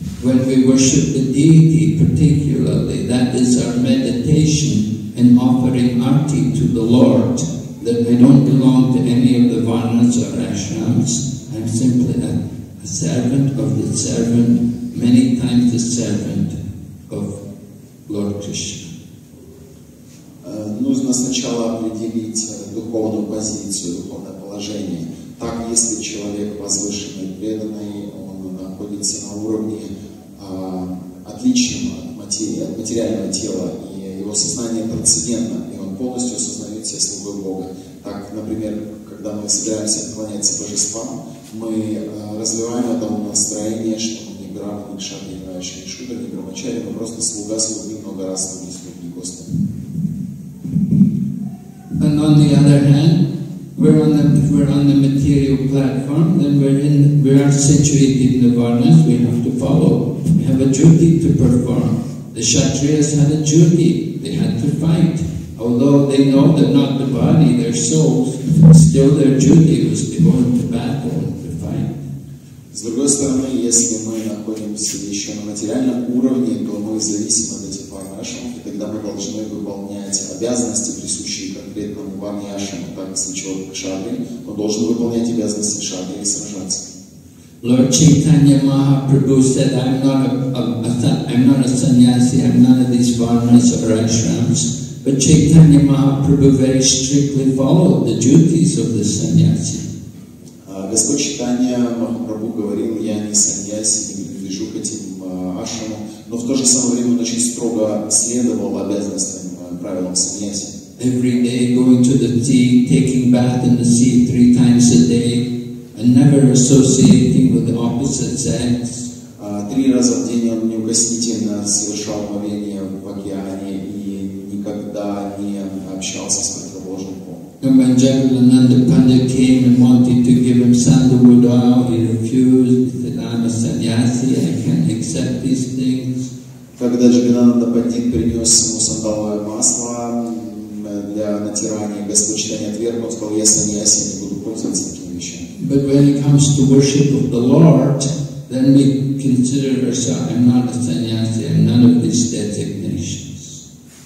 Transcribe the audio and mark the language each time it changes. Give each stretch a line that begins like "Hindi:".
English: When we worship the deity particularly, that is our meditation and offering arti to the Lord, that I don't belong to any of the varnas or ashrams, I'm simply a servant of the servant, many times the servant of Lord Krishna.
Russian: Нужно сначала определить духовную позицию, духовное положение. Так, если человек возвышенный, преданный, он находится на уровне отличного от материи, от материального тела, и его сознание трансцендентно, и он полностью осознает себя слугой Бога. Так, например, когда мы собираемся поклоняться божествам, мы развиваем это настроение, что мы не брахман, не кшатрия, не вайшья, не шудра, не брахмачарья, мы просто слуга слуги, много раз слуги слуги Господа.
English: And on the other hand, we're on the material platform, then we are situated in the varnas, we have to follow. We have a duty to perform. The Kshatriyas had a duty. The fight. Although they know they're not the body, their souls, still their duty was to go into battle and to fight.
Russian: С другой стороны, если мы находимся еще на материальном уровне, то мы зависим от этих парнашам, и тогда мы должны выполнять обязанности, присущие конкретному парнашам, так если человек кшатри, он должен выполнять обязанности кшатри и сражаться.
English: Lord Chaitanya Mahaprabhu said, I'm not a sannyasi, I'm none of these varnas or ashrams. But Chaitanya Mahaprabhu very strictly followed the duties of the sannyasi.
Russian: Господь Чайтанья Махапрабху говорил, я не сандьяси, не принадлежу к этим ашрамам, но в то же самое время он очень строго следовал обязанностям, правилам сандьяси.
English: Every day going to the sea, taking bath in the sea three times a day, and never associating with the opposite sex.
Russian: Три раза в день он неукоснительно совершал омовение в океане и никогда не общался с противоположным полом.
English: And when Jagannanda Pandit came and wanted to give him sandalwood oil, he refused. He said, I'm a sannyasi, I can't accept these things.
Russian: Когда Джагананда Пандит принес ему сандаловое масло для натирания, Господь Чайтанья отверг, он сказал, я сандаси, я не буду пользоваться такими вещами.
English: But when it comes to worship of the Lord, then we consider ourselves, I'm not a sannyasi, I'm none of these designations.